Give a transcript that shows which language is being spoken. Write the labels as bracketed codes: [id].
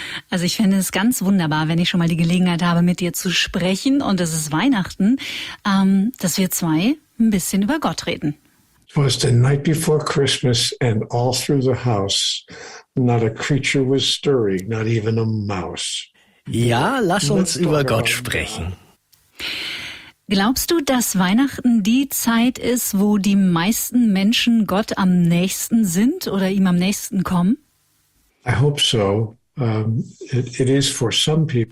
[de] Also ich finde es ganz wunderbar, wenn ich schon mal die Gelegenheit habe, mit dir zu sprechen, und es ist Weihnachten, dass wir zwei ein bisschen über Gott reden. [en] It was the night before Christmas and all through the house, not a creature was stirring, not even a mouse. [de] Ja, lass uns über Gott sprechen. Glaubst du, dass Weihnachten die Zeit ist, wo die meisten Menschen Gott am nächsten sind oder ihm am nächsten kommen? [en] I hope so. It is for some people.